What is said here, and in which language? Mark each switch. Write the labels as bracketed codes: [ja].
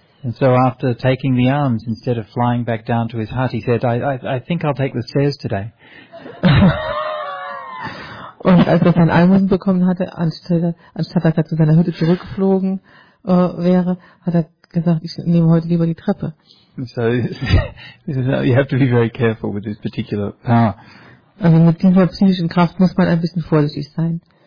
[en] And so after taking the arms, instead of flying back down to his hut, he said, I think I'll take the stairs today. [de] Und als er sein Almosen bekommen hatte, anstatt dass er zu seiner Hütte zurückgeflogen wäre, hat er gesagt, ich nehme heute lieber die Treppe. [en] So you have to be very careful with this particular power. [de] Also mit dieser psychischen Kraft muss man ein bisschen vorsichtig sein.